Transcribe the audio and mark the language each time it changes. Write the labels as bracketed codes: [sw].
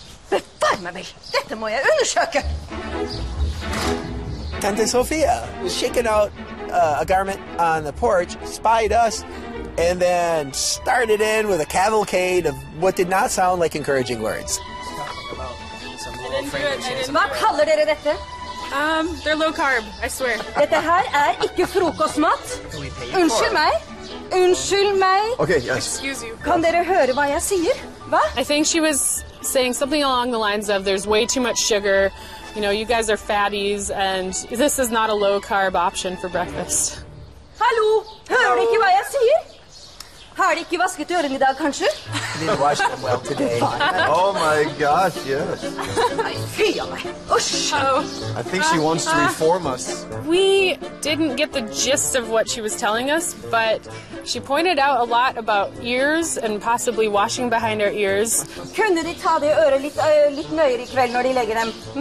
[no] Befar meg vel, dette må jeg undersøke! [en] Tante Sofia was shaking out a garment on the porch, spied us, and then started in with a cavalcade of what did not sound like encouraging words. What color did it? They're low carb, I swear. [no] Dette her ikke frokostmat. Unnskyld meg. Unnskyld meg. [en] Okay, yes. Excuse you. [no] Kan dere høre hva jeg sier? Hva? [en] I think she was saying something along the lines of there's way too much sugar. You know, you guys are fatties, and this is not a low-carb option for breakfast. [no] Hallo! Hører du ikke hva jeg sier? Har de ikke vasket ørene I dag, kanskje? [en] I need to wash them well today. Oh my gosh, yes. I feel my... Oh, I think she wants to reform us. We didn't get the gist of what she was telling us, but she pointed out a lot about ears and possibly washing behind our ears. [no] Kunne de ta de ørene litt nøyere I kveld når de legger dem?